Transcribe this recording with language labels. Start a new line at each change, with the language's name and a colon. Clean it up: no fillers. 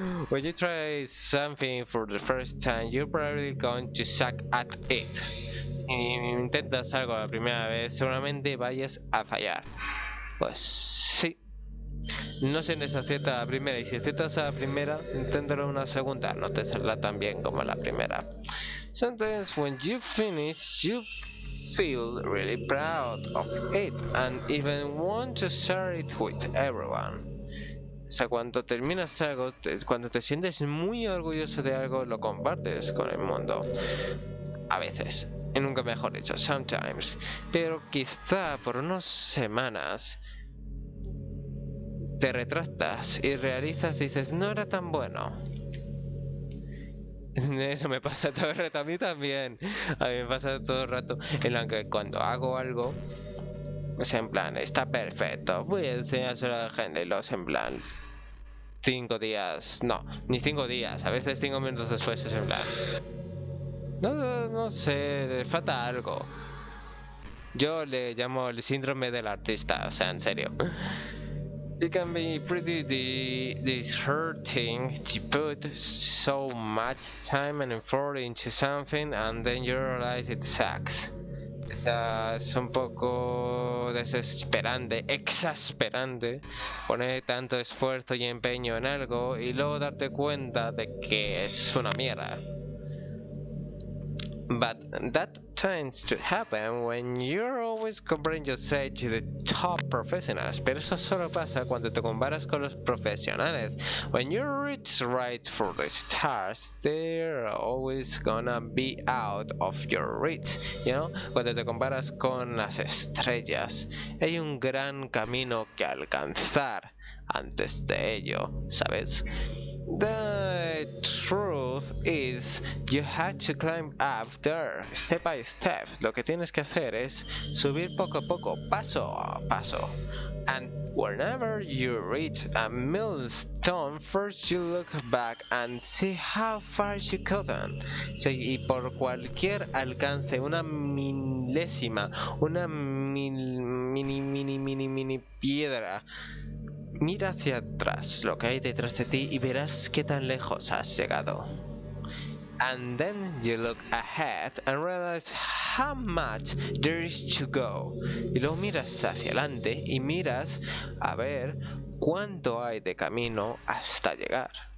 English: When you try something for the first time, you're probably going to suck at it.
Spanish: Si intentas algo la primera vez, seguramente vayas a fallar. Pues sí. No sé si aciertas a la primera. Y si aciertas a la primera, inténtalo una segunda. No te saldrá tan bien como la primera.
English: Sometimes when you finish, you feel really proud of it and even want to share it with everyone.
Spanish: O sea, cuando terminas algo, cuando te sientes muy orgulloso de algo, lo compartes con el mundo. A veces. Y nunca mejor dicho, sometimes. Pero quizá por unas semanas te retractas y realizas, dices, no era tan bueno. Eso me pasa todo el rato, a mí también. A mí me pasa todo el rato en la que cuando hago algo, es en plan, está perfecto, voy a enseñárselo a la gente y los en plan, 5 días, no, ni 5 días, a veces 5 minutos después es en plan, no sé, falta algo. Yo le llamo el síndrome del artista, o sea, en serio.
English: It can be pretty disheartening to put so much time and effort into something and then you realize it sucks.
Spanish: O sea, es un poco desesperante, exasperante, poner tanto esfuerzo y empeño en algo y luego darte cuenta de que es una mierda.
English: But that tends to happen when you're always comparing yourself to the top professionals.
Spanish: Pero eso solo pasa cuando te comparas con los profesionales.
English: When you reach right for the stars, they're always gonna be out of your reach. You know?
Spanish: Cuando te comparas con las estrellas, hay un gran camino que alcanzar antes de ello, ¿sabes?
English: The truth is, you have to climb up there, step by step.
Spanish: Lo que tienes que hacer es subir poco a poco, paso a paso.
English: And whenever you reach a milestone, first you look back and see how far you gotten.
Spanish: Sí, y por cualquier alcance, una milésima, una mini piedra. Mira hacia atrás, lo que hay detrás de ti, y verás qué tan lejos has llegado.
English: And then you look ahead and realize how much there is to go.
Spanish: Y luego miras hacia adelante y miras a ver cuánto hay de camino hasta llegar.